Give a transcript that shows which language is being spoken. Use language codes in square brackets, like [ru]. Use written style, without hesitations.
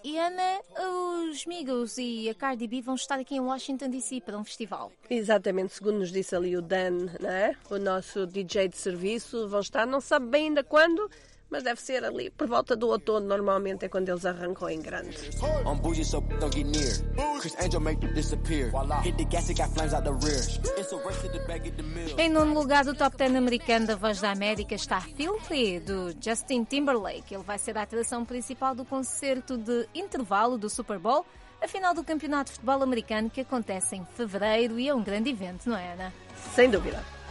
[pt] E Ana, os Migos e a Cardi B vão estar aqui em Washington DC para um festival. Exatamente, segundo nos disse ali o Dan, né? O nosso DJ de serviço, vão estar, não sabe bem ainda quando, mas deve ser ali por volta do outono, normalmente é quando eles arrancam em grande. [en] On bougie, so don't get near. Chris Angel make them disappear. Voila. Hit the gas, it got flames out the rear. It's a rush to the bag at the mill. [pt] Em 9º lugar do Top 10 americano da Voz da América está Filthy, do Justin Timberlake. Ele vai ser a atração principal do concerto de intervalo do Super Bowl a final do Campeonato de Futebol Americano, que acontece em fevereiro e é um grande evento, não é, Ana? Sem dúvida.